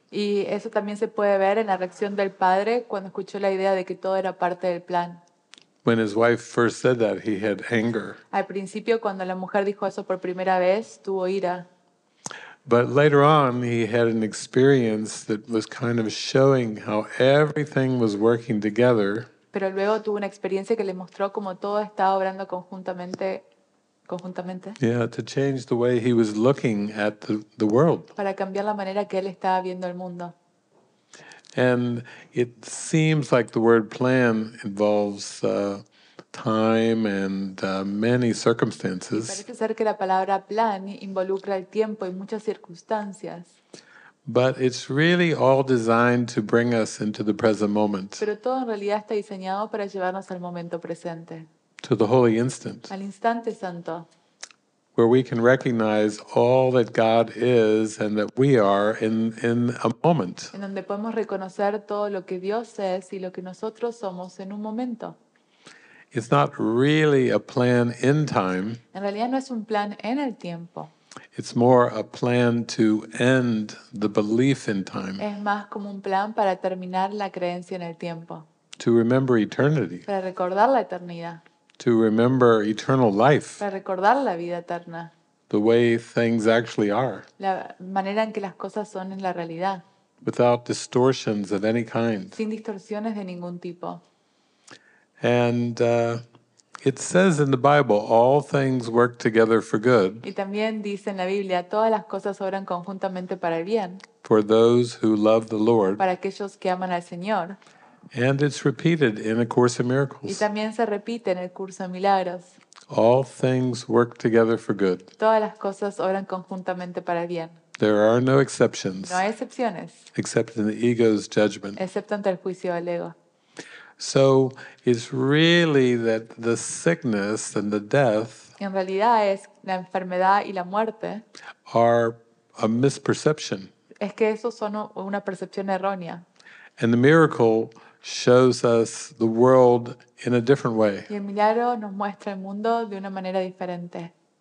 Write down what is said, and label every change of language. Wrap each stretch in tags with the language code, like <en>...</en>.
<es>Y eso también se puede ver en la reacción del padre cuando escuchó la idea de que todo era parte del plan.</es> <en>When his wife first said that, he had anger.</en> <es>Al principio, cuando la mujer dijo eso por primera vez, tuvo ira.</es> <en>But later on, he had an experience that was kind of showing how everything was working together.</en> <es>Pero luego tuvo una experiencia que le mostró cómo todo estaba obrando conjuntamente.</es> <en>Yeah, to change the way he was looking at the world.</en> <es>Para cambiar la manera que él estaba viendo el mundo.</es> <en>And it seems like the word plan involves time and many circumstances.</en> <es>Y parece ser que la palabra plan involucra el tiempo y muchas circunstancias.</es> <en>But it's really all designed to bring us into the present moment.</en> <es>Pero todo en realidad está diseñado para llevarnos al momento presente.</es> <en>To the holy instant,</en> <es>al instante santo,</es> <en>where we can recognize all that God is and that we are in a moment.</en> <es>En donde podemos reconocer todo lo que Dios es y lo que nosotros somos en un momento.</es> <en>It's not really a plan in time.</en> <es>En realidad no es un plan en el tiempo.</es> <en>It's more a plan to end the belief in time.</en> <es>Es más como un plan para terminar la creencia en el tiempo.</es> <en>To remember eternity.</en> <es>Para recordar la eternidad.</es> <en>To remember eternal life.</en> <es>Para recordar la vida eterna.</es> <en>The way things actually are.</en> <es>La manera en que las cosas son en la realidad.</es> <en>Without distortions of any kind.</en> <es>Sin distorsiones de ningún tipo.</es> <en>And it says in the Bible, all things work together for good.</en> <es>Y también dice en la Biblia, todas las cosas obran conjuntamente para el bien.</es> <en>For those who love the Lord.</en> <es>Para aquellos que aman al Señor.</es> <en>And it's repeated in A Course in Miracles.</en> <es>Y también se repite en el curso de milagros.</es> <en>All things work together for good.</en> <es>Todas las cosas obran conjuntamente para el bien.</es> <en>There are no exceptions.</en> <es>No hay excepciones.</es> <en>Except in the ego's judgment.</en> <es>Excepto ante el juicio del ego.</es> <en>So it's really that the sickness and the death.</en> <es>En realidad es la enfermedad y la muerte.</es> <en>Are a misperception.</en> <es>Es que eso son una percepción errónea.</es> <en>And the miracle shows us the world in a different way.</en> <es>Y el milagro nos muestra el mundo de una manera diferente.</es>